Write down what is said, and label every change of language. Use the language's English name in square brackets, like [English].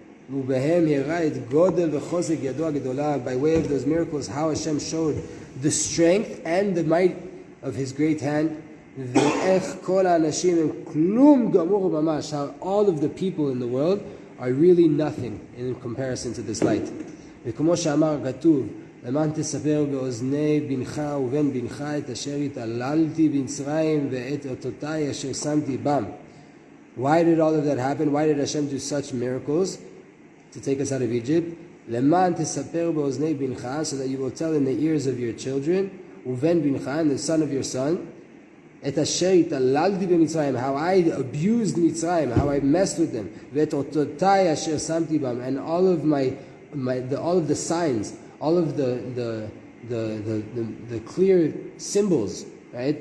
[English] By way of those miracles, how Hashem showed the strength and the might of His great hand. How all of the people in the world are really nothing in comparison to this light. [Hebrew] וכמו שאמר כתוב, למען תספר באוזני בנך ובן בנך את אשר התעללתי במצרים ואת אותותיי אשר שמתי בם. [English] Why did all of that happen? Why did Hashem do such miracles to take us out of Egypt? [Hebrew] למען תספר באוזני בנך, [English] so that you will tell in the ears of your children, [Hebrew] ובן בנך, [English] and the son of your son, [Hebrew] את אשר התעללתי במצרים, [English] how I abused מצרים, how I messed with them, [Hebrew] ואת אותותיי אשר שמתי בם, [English] and all of all of the signs, all of the clear symbols, right?